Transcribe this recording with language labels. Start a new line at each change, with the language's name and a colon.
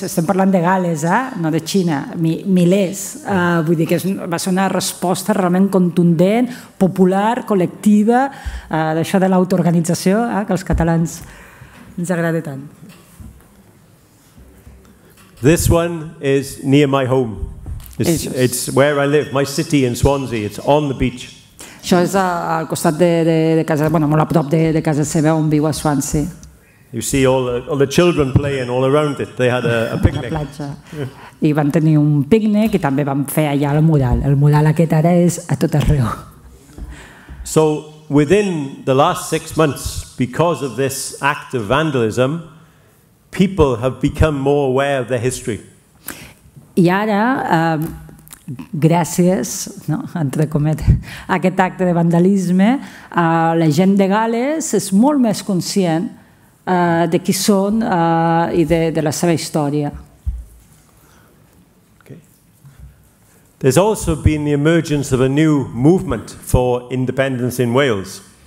Catalan: Estem parlant de Gales, eh? No de Xina. Milers. Vull dir que va ser una resposta realment contundent, popular, col·lectiva, d'això de l'autoorganització, que als catalans ens agrada tant.
English: This one is near my home. It's where I live, my city in Swansea. It's on the beach.
Catalan: Això és al costat de casa, bueno, molt a prop de casa seva on viu a Swansea.
English: You see all the children playing all around it. They had a picnic.
Catalan: A la platja. I van tenir un picnic i també van fer allà el mural. El mural aquest ara és a tot arreu.
English: So within the last 6 months, because of this act of vandalism, people have become more aware of their history.
Catalan: I ara, gràcies, no, entre cometes, a aquest acte de vandalisme, la gent de Gales és molt més conscient de qui són i de la seva història.
English: Okay. There's also been the emergence of a new movement for independence in Wales.